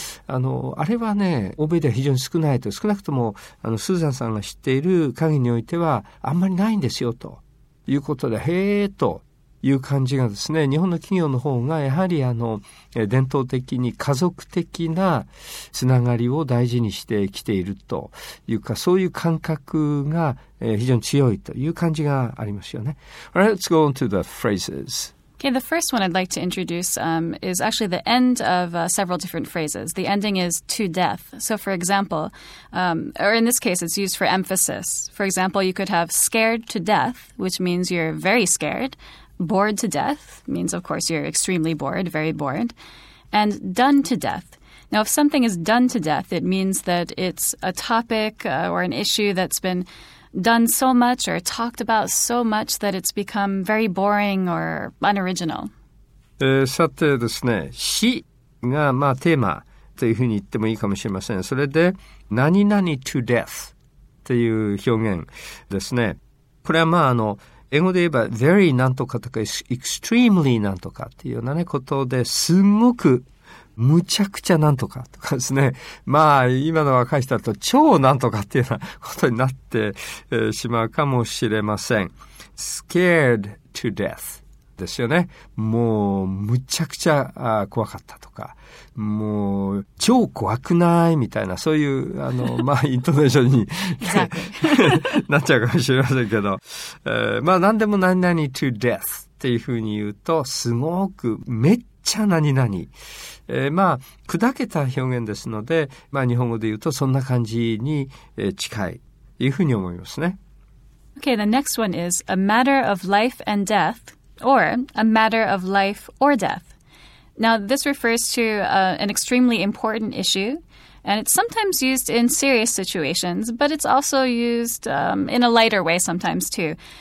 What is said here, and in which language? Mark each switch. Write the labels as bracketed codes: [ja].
[ja] あれはね、欧米では非常に少ないと、少なくとも、スーザンさんが知っている限りにおいては、あんまりないんですよ、ということで、へえ、という感じがですね、日本の企業の方が、やはり伝統的に家族的なつながりを大事にしてきているというか、そういう感覚が非常に強いという感じがありますよね。 [en] All right, let's go on to the phrases. Okay, the first one I'd like to introduce is actually the end of several different phrases. The ending is to death. So for example, or in this case, it's used for emphasis. For example, you could have scared to death, which means you're very scared. Bored to death means, of course, you're extremely bored, very bored. And done to death. Now, if something is done to death, it means that it's a topic or an issue that's been done so much or talked about so much that it's become very boring or unoriginal. [ja] さてですね、死がまあテーマというふうに言ってもいいかもしれません。それで、何々 to death という表現ですね。これはまあ英語で言えば [en] very [ja] なんとかとか extremely なんとかっていうようなねことで、すごくむちゃくちゃなんとかとかですね。まあ今の若い人だと超なんとかっていうようなことになってしまうかもしれません。 [en] scared to death [ja] ですよね。もうむちゃくちゃ怖かったとか、もう超怖くないみたいな、そういうまあイントネーションになっちゃうかもしれませんけど、まあ何でも何々 to death っていうふうに言うと、すごくめっちゃ何々、まあ砕けた表現ですので、まあ日本語で言うとそんな感じに近いというふうに思いますね。 [en] Okay, the next one is a matter of life and death, or a matter of life or death. Now, this refers to an extremely important issue, and it's sometimes used in serious situations, but it's also used in a lighter way sometimes, too.